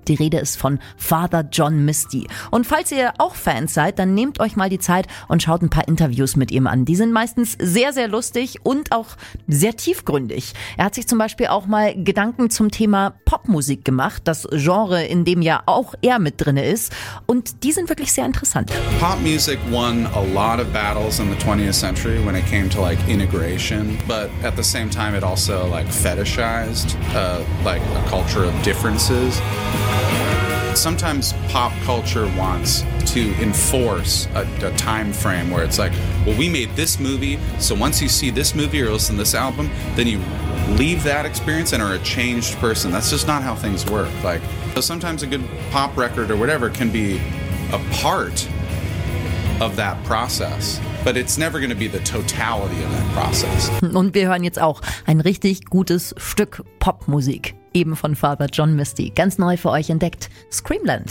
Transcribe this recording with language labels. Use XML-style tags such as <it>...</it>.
<de>Die Rede ist von Father John Misty. Und falls ihr auch Fans seid, dann nehmt euch mal die Zeit und schaut ein paar Interviews mit ihm an. Die sind meistens sehr, sehr lustig und auch sehr tiefgründig. Er hat sich zum Beispiel auch mal Gedanken zum Thema Popmusik gemacht, das Genre, in dem ja auch er mit drin ist. Und die sind wirklich sehr interessant.</de> <en>Popmusik won a lot of battles in the 20th century when it came to like integration. But at the same time it also like fetishized like a culture of differences. Sometimes pop culture wants to enforce a time frame where it's like, well, we made this movie, so once you see this movie or listen to this album, then you leave that experience and are a changed person. That's just not how things work. Like, so sometimes a good pop record or whatever can be a part of that process, but it's never going to be the totality of that process.</en> <de>Und wir hören jetzt auch ein richtig gutes Stück Popmusik. Eben von Father John Misty, ganz neu für euch entdeckt, Screamland.</de>